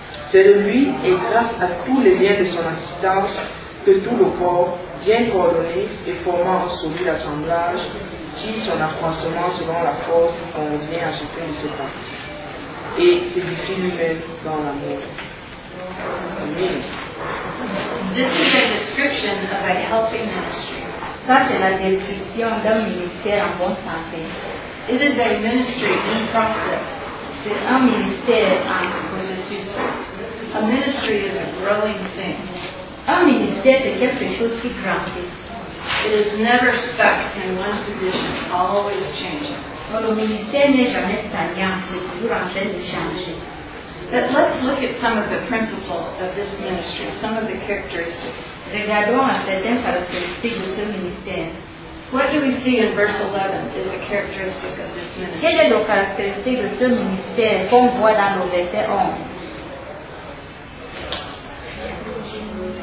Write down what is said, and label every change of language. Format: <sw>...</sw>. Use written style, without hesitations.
<fr>C'est de lui et grâce à tous les liens de son assistance que tout le corps, bien coordonné et formant en celui l'assemblage, tire son accroissement selon la force qui convient à chacun de ses parties et s'édifie lui-même dans l'amour. Amen.</fr> <en>This is a description of a healthy ministry.</en> <fr>Ça, c'est la description d'un ministère en bonne santé.</fr> <en>It is a ministry in process.</en> <fr>C'est un ministère en processus.</fr> <en>A ministry is a growing thing.</en> <fr>Un ministère, c'est quelque chose qui grandit.</fr> <en>It is never stuck in one position, always changing.</en> <fr>Mais le ministère n'est jamais stagnant, c'est toujours en train de changer.</fr> <en>But let's look at some of the principles of this ministry, some of the characteristics.</en> <fr>Regardons à certaines caractéristiques de ce ministère.</fr> <en>What do we see in verse 11 is a characteristic of this ministry?</en> <fr>Quelle est la caractéristique de ce ministère qu'on voit dans le verset 11?</fr>